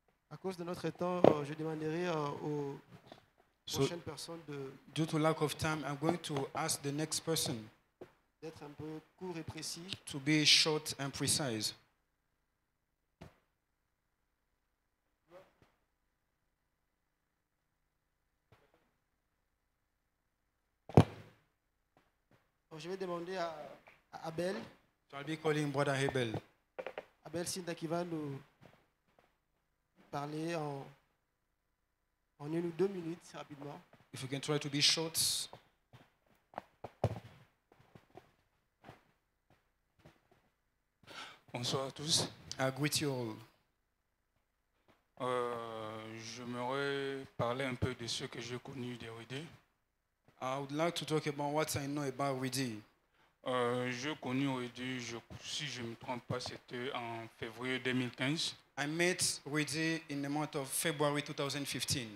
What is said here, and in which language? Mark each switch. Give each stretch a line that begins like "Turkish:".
French: À cause de notre temps, je demanderai aux prochaines personnes de.
English: Due to lack of time, I'm going to ask the next person.
French: D'être un peu court et précis.
English: To be short and precise.
French: Alors, je vais demander à Abel.
English: So I'll be calling Brother Abel.
French: Abel Sinda qui va nous. Parler en une ou deux minutes rapidement.
English: If we can try to be short.
French: Bonsoir à tous.
English: I greet you all.
French: J'aimerais parler un peu de ce que j'ai connu de Rudy.
English: I would like to talk about what I know about Rudy.
French: J'ai connu Rudy, si je ne me trompe pas, c'était en février 2015.
English: I met Rudy in the month of February 2015.